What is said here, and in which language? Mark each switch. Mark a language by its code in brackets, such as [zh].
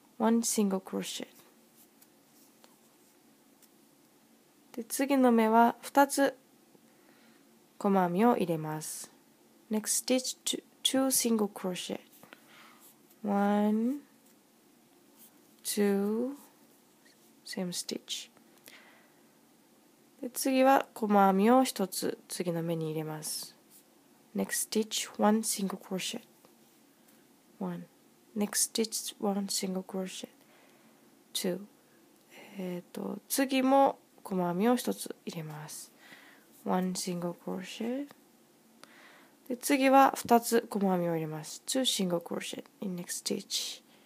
[en] 1 single crochet [ja] で次の目は2つ細編みを入れます。 [en] next stitch 2 single crochet 1 2 same stitch [ja] で次は細編みを1つ次の目に入れます。 [en] Next stitch, one single crochet. One. Next stitch, one single crochet. Two. [ja] 次も細編みを一つ入れます。 [en] One single crochet. [ja] で次は二つ細編みを入れます。 [en] Two single crochet in next stitch.